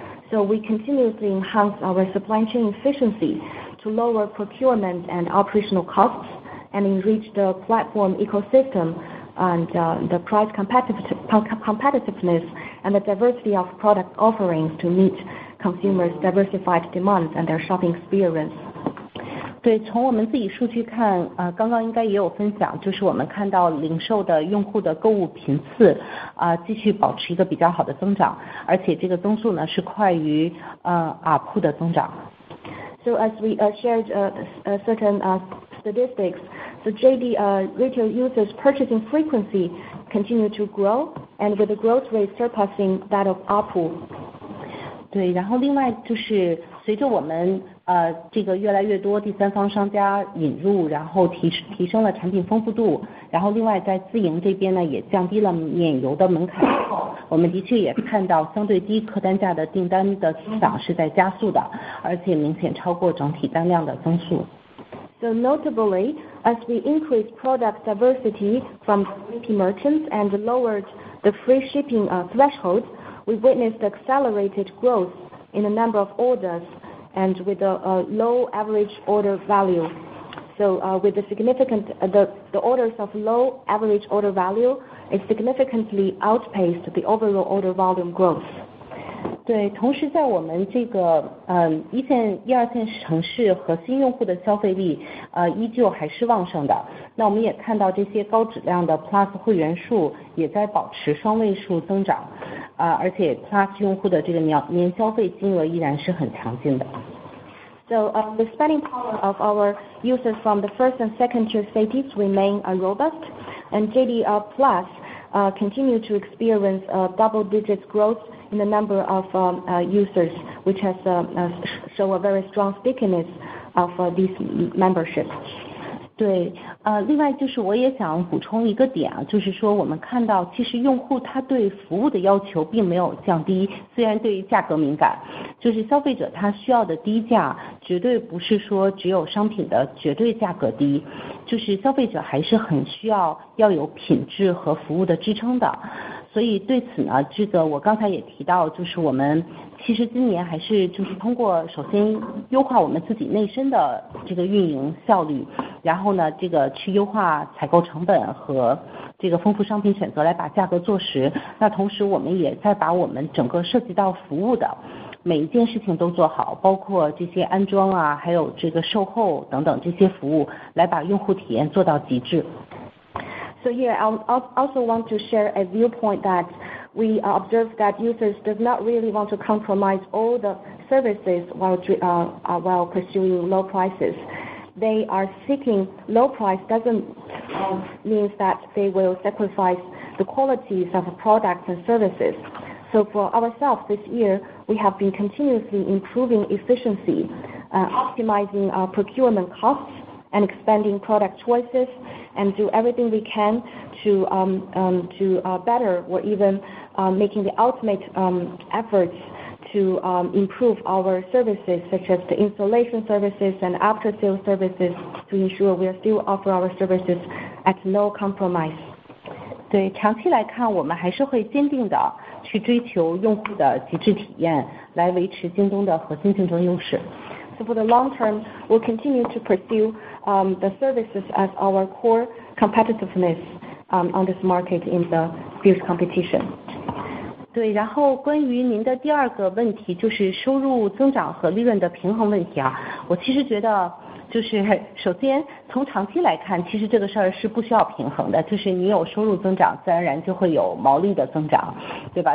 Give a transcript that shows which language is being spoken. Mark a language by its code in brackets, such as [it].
[en] So we continuously enhance our supply chain efficiency to lower procurement and operational costs and enrich the platform ecosystem and the price competitiveness and the diversity of product offerings to meet consumers' diversified demands and their shopping experience. [zh] 对，从我们自己数据看，刚刚应该也有分享，就是我们看到零售的用户的购物频次，继续保持一个比较好的增长，而且这个增速呢是快于ARPU的增长。 [en] So as we shared certain statistics, the JD retail users' purchasing frequency continue to grow, and with a growth rate surpassing that of ARPU. [zh] 对，然后另外就是随着我们这个越来越多第三方商家引入，然后提升了产品丰富度，然后另外在自营这边呢也降低了免邮的门槛，我们的确也看到相对低客单价的订单的增长是在加速的，而且明显超过整体单量的增速。 [en] So notably, as we increase product diversity from 3P merchants and lowered the free shipping threshold. We witnessed accelerated growth in the number of orders and with a low average order value. So with the significant, the orders of low average order value, it significantly outpaced the overall order volume growth. [zh] 对，同时在我们这个一线、一二线城市核心用户的消费力依旧还是旺盛的。那我们也看到这些高质量的 Plus 会员数也在保持双位数增长，而且 Plus 用户的这个年消费金额依然是很强劲的。 [en] So the spending power of our users from the first and second tier cities remain robust, and JD Plus continue to experience a double digit growth. In the number of users, which has shown a very strong stickiness of this membership. [zh] 对，另外就是我也想补充一个点啊，就是说我们看到其实用户他对服务的要求并没有降低，虽然对于价格敏感，就是消费者他需要的低价绝对不是说只有商品的绝对价格低，就是消费者还是很需要要有品质和服务的支撑的。所以对此呢，这个我刚才也提到，就是我们其实今年还是就是通过首先优化我们自己内身的这个运营效率，然后呢这个去优化采购成本和这个丰富商品选择来把价格做实，那同时我们也在把我们整个涉及到服务的每一件事情都做好，包括这些安装啊还有这个售后等等这些服务，来把用户体验做到极致。 [en] So here, I also want to share a viewpoint that we observe that users does not really want to compromise all the services while pursuing low prices. They are seeking low price doesn't mean that they will sacrifice the qualities of products and services. So for ourselves this year, we have been continuously improving efficiency, optimizing our procurement costs, and expanding product choices, and do everything we can to better or even making the ultimate efforts to improve our services, such as the installation services and after sales services, to ensure we are still offer our services at no compromise. [zh] 对，长期来看，我们还是会坚定的去追求用户的极致体验，来维持京东的核心竞争优势。 [en] So for the long term, we'll continue to pursue the services as our core competitiveness on this market in the fierce competition. [zh] 对，然后关于您的第二个问题，就是收入增长和利润的平衡问题啊，我其实觉得就是首先从长期来看，其实这个事儿是不需要平衡的，就是你有收入增长，自然而然就会有毛利的增长，对吧？